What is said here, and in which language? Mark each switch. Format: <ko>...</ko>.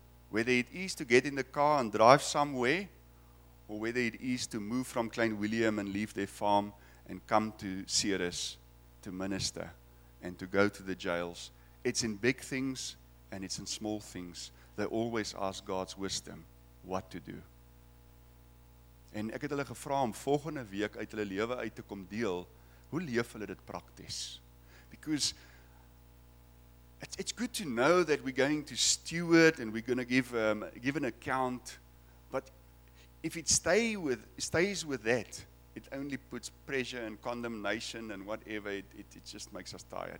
<en>Whether it is to get in the car and drive somewhere, or whether it is to move from Klein William and leave their farm and come to Ceres to minister and to go to the jails. It's in big things and it's in small things. They always ask God's wisdom what to do.</en> <af>En ek het hulle gevra om volgende week uit hulle lewe uit te kom deel, hoe leef hulle dit prakties?</af> <en>Because it's good to know that we're going to steward and we're going to give an account, but if it stays with that, it only puts pressure and condemnation and whatever, it just makes us tired.</en>